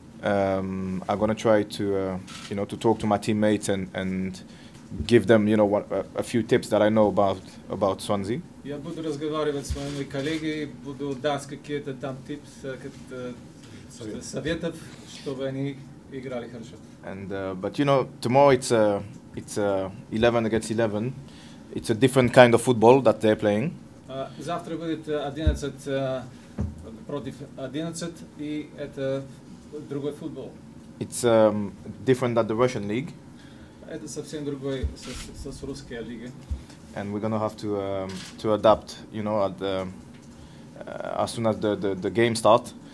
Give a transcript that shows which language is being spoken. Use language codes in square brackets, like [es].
[en] I'm gonna try to, you know, to talk to my teammates and give them, you know, a few tips that I know about Swansea. [ru] Я буду разговаривать с моими коллегами, буду дать какие-то там tips, советов, чтобы они играли хорошо. [en] And but you know, tomorrow it's 11 against 11. It's a different kind of football that they're playing. [ru] Завтра будет 11 против 11, и это другой футбол. [en] It's different than the Russian league. [ru] Это совсем другой с русской лигой. [en] And we're gonna have to adapt, you know, at the, as soon as the game starts.